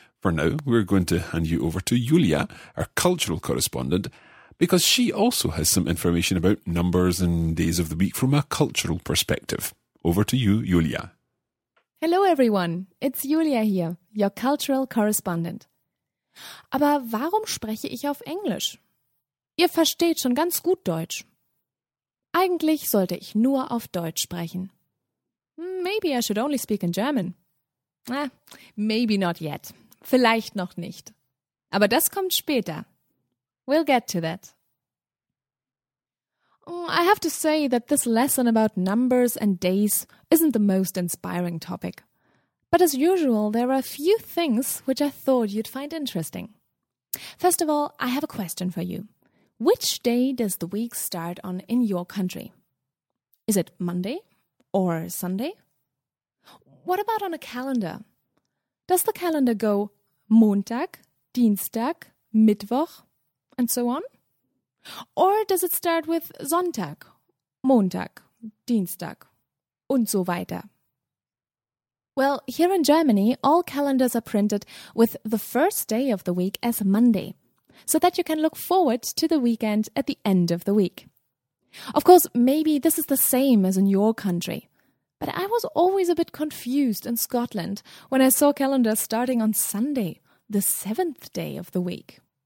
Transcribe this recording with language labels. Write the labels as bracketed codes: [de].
[en] For now, we're going to hand you over to Julia, our cultural correspondent, because she also has some information about numbers and days of the week from a cultural perspective. Over to you, Julia. Hello everyone, it's Julia here, your cultural correspondent. [de] Aber warum spreche ich auf Englisch? Ihr versteht schon ganz gut Deutsch. Eigentlich sollte ich nur auf Deutsch sprechen. [en] Maybe I should only speak in German. Ah, maybe not yet. [de] Vielleicht noch nicht. Aber das kommt später. [en] We'll get to that. I have to say that this lesson about numbers and days isn't the most inspiring topic. But as usual, there are a few things which I thought you'd find interesting. First of all, I have a question for you. Which day does the week start on in your country? Is it Monday or Sunday? What about on a calendar? Does the calendar go Montag, Dienstag, Mittwoch, and so on? Or does it start with Sonntag, Montag, Dienstag, [de] und so weiter? [en] Well, here in Germany, all calendars are printed with the first day of the week as Monday, so that you can look forward to the weekend at the end of the week. Of course, maybe this is the same as in your country, but I was always a bit confused in Scotland when I saw calendars starting on Sunday, the 7th day of the week.